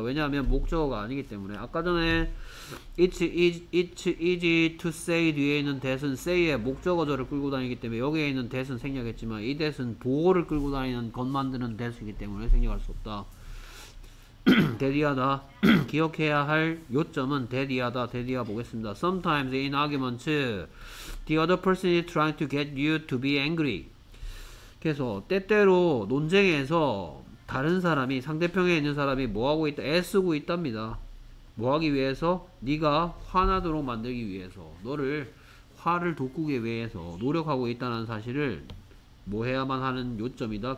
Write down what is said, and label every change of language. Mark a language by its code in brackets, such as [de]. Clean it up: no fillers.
[ko] 왜냐하면 목적어가 아니기 때문에 아까 전에 [en] it's easy to say [ko] 뒤에 있는 that은 say의 목적어절을 끌고 다니기 때문에 여기에 있는 that은 생략했지만 이 that은 보어를 끌고 다니는 겉만드는 that이기 때문에 생략할 수 없다. 대디하다. 기억해야 할 요점은 대디하다. 대디하 보겠습니다. [en] Sometimes in arguments, the other person is trying to get you to be angry. [ko] 그래서 때때로 논쟁에서 다른 사람이 상대편에 있는 사람이 뭐하고 있다? 애쓰고 있답니다. 뭐하기 위해서? 네가 화나도록 만들기 위해서 너를 화를 돋구기 위해서 노력하고 있다는 사실을 뭐 해야만 하는 요점이다.